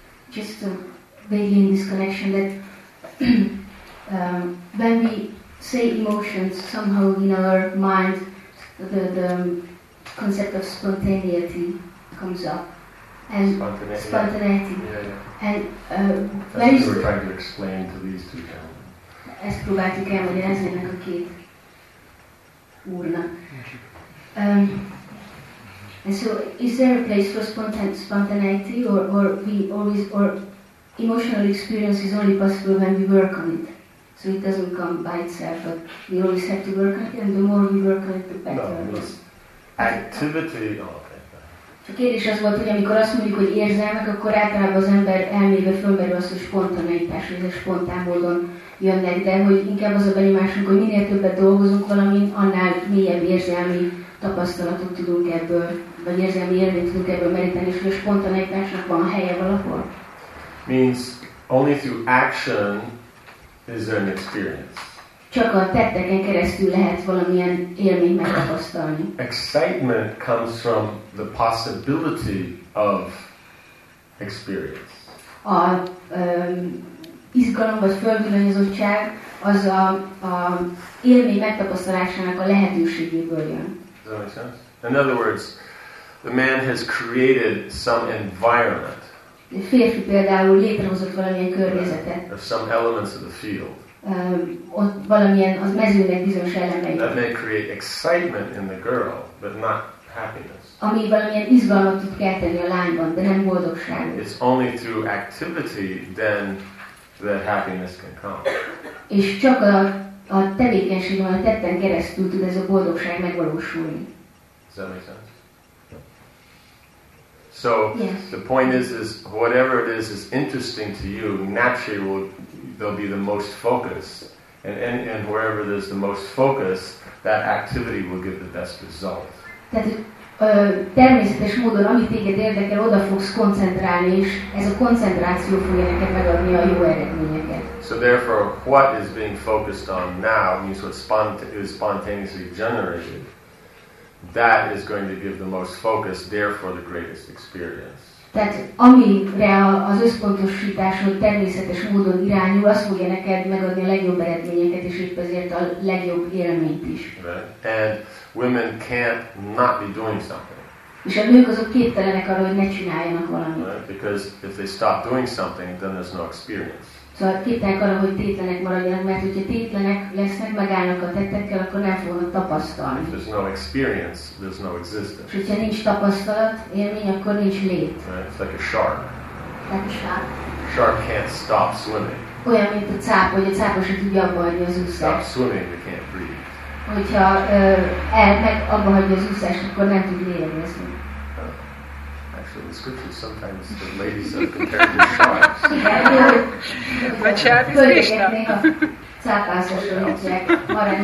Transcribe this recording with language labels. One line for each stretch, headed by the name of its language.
English: Just to begin this connection that when we say emotions, somehow in our mind the concept of spontaneity comes up. And spontaneity. Yeah. And that's what you were trying to explain to these two gentlemen.
Hungarian: Ezt próbáltuk elmagyarázni ennek a két úrnak.
English: And so, is there a place for spontaneity, or we always, or emotional experience is only possible when we work on it? So it doesn't come by itself, but we always have to work on it, and the more we work on it, the better. No, activity.
Hungarian: A kérdés az volt, hogy amikor azt mondjuk, hogy érzelmek, akkor általában az ember elmébe fölmerül azt, hogy spontaneitás, hogy ez spontán módon jönnek, de hogy inkább az a benyomásunk, hogy minél többet dolgozunk valamin, annál mélyebb érzelmi tapasztalatot tudunk ebből, vagy érzelmi élményt tudunk ebből meríteni, és hogy a spontaneitásnak van helye valahol.
English: Means only through action is there an experience.
Hungarian: Csak a tetteken keresztül lehet valamilyen élmény megtapasztalni.
English: Excitement comes from the possibility of experience.
Hungarian: A izgalom vagy fölvilányozottság az a élmény megtapasztalásának a lehetőségéből jön.
English: Does that make sense? In other words, the man has created some environment.
Hungarian: A férfi például létrehozott valamilyen környezetet.
English: Of some elements of the field.
Hungarian: Ott valamilyen az mezőnek bizonyos elemeit.
English: That may create excitement in the girl, but not happiness.
Hungarian: Ami valamilyen izgalmat tud kelteni a lányban, de nem boldogságot.
English: It's only through activity then that happiness can come.
Hungarian: És csak a tevékenység, a tetten keresztül tud ez a boldogság megvalósulni.
English: Does that make sense? So the point is whatever it is interesting to you, naturally there'll be the most focus, and wherever there's the most focus, that activity will give the best result.
Hungarian: Tehát természetes módon, ami téged érdekel, oda fogsz koncentrálni, és ez a koncentráció fogja neked megadni a jó eredményeket.
English: So therefore, what is being focused on now means what spontaneously generated. That is going to give the most focus, therefore the greatest experience.
Hungarian: Tehát amire az összpontosításod természetes módon irányul, az fogja neked megadni a legjobb eredményeket, és épp ezért a legjobb élményt is.
English: And women can't not be doing something.
Hungarian: És a nők azok képtelenek arra, hogy ne csináljanak valamit.
English: Right? Because if they stop doing something, then there's no experience.
Hungarian: Szóval képtelenek arra, hogy tétlenek maradjanak, mert hogyha tétlenek lesznek, megállnak a tettekkel, akkor nem fognak tapasztalni.
English: If there's no experience, there's no existence.
Hungarian: És hogyha nincs tapasztalat, élmény, akkor nincs lét.
English: Right? It's like a shark. Like a shark. Shark can't stop swimming.
Hungarian: Olyan, mint a cápa, hogy a cápa sem tudja abba hagyni az úszást.
English: Stop swimming, they can't breathe.
Hungarian: Hogyha meg abba hagyja az úszást, akkor nem tud lélegezni.
English: In the scriptures, sometimes the ladies are compared to sharks.